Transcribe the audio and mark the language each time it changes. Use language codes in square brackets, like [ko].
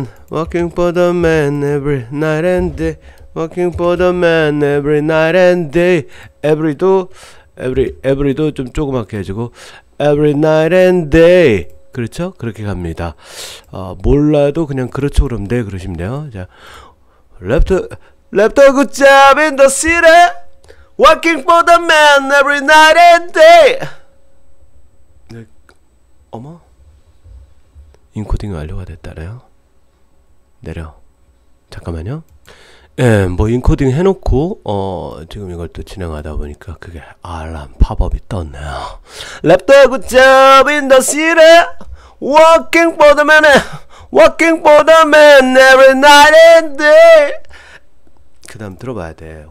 [en] working for the man every night and day. Working for the man every night and day. Every도 [ko] 좀 조그맣게 해주고 [en] every night and day. [ko] 그렇죠? 그렇게 갑니다. 몰라도 그냥 그렇죠 그럼 네 그러시면 돼요. [en] 자, left a good job in the city. Working for the man every night and day. [ko] 네, 어머, 인코딩 완료가 됐다네요. 내려. 잠깐만요. 예, 뭐 인코딩 해놓고 지금 이걸 또 진행하다 보니까 그게 알람 팝업이 떴네요. [en] 랩더 굿잡 인더 시티 워킹 포더 맨, 워킹 포더맨 에브리 나잇 앤 데이. [ko] 그다음 들어봐야 돼.